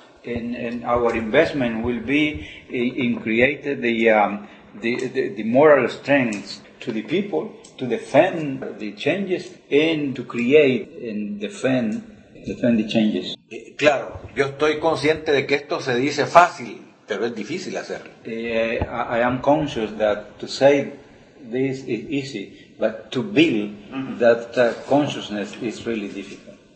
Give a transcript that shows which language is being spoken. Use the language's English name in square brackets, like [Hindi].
[English] And our investment will be in creating the moral strength to the people to defend the changes and to create and defend the changes. [Spanish] Claro, yo estoy consciente de que esto se dice fácil, pero es difícil hacerlo. [English] I am conscious that to say this is easy, but to build that consciousness is really difficult.